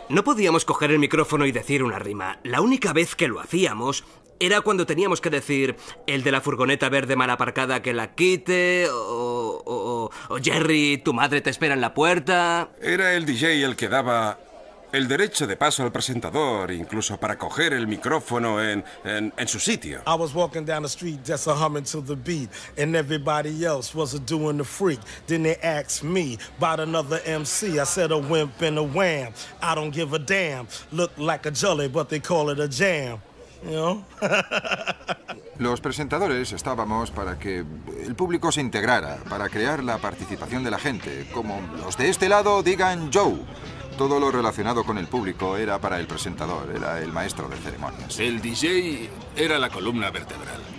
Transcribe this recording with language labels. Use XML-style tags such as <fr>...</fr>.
<es>No podíamos coger el micrófono y decir una rima. La única vez que lo hacíamos era cuando teníamos que decir el de la furgoneta verde mal aparcada que la quite o Jerry, tu madre te espera en la puerta. Era el DJ el que daba el derecho de paso al presentador, incluso para coger el micrófono en su sitio.</es> <en>I was walking down the street just a humming to the beat and everybody else was a doing the freak. Then they asked me about another MC. I said a wimp and a wham. I don't give a damn. Look like a jelly but they call it a jam.</en> <es>Los presentadores estábamos para que el público se integrara, para crear la participación de la gente. Como los de este lado digan Joe. Todo lo relacionado con el público era para el presentador, era el maestro de ceremonias. El DJ era la columna vertebral.</es>